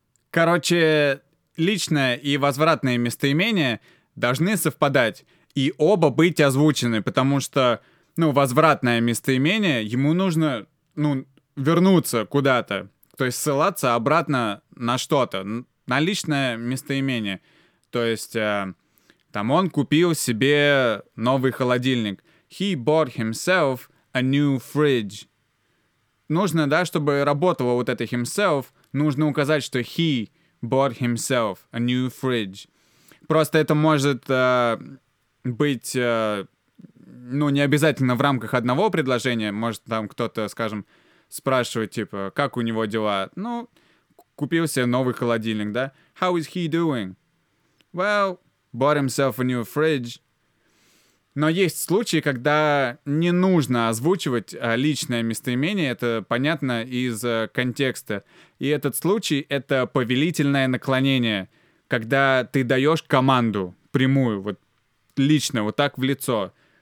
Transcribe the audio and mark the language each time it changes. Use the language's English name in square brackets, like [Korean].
[Russian] Короче, личное и возвратное местоимение должны совпадать и оба быть озвучены, потому что, ну, возвратное местоимение, ему нужно, ну, вернуться куда-то, То есть ссылаться обратно на что-то, на личное местоимение. То есть там он купил себе новый холодильник. [English] He bought himself a new fridge. [Russian] Нужно, да, чтобы работало вот это himself, нужно указать, что [English] he bought himself a new fridge. [Russian] Просто это может быть, ну, не обязательно в рамках одного предложения. Может, там кто-то, скажем, спрашивает, типа, как у него дела? Ну, купил себе новый холодильник, да? [English] How is he doing? Well, bought himself a new fridge. [Russian] Но есть случаи, когда не нужно озвучивать личное местоимение. Это понятно из контекста. И этот случай — это повелительное наклонение, когда ты даешь команду прямую, вот лично, вот так в лицо.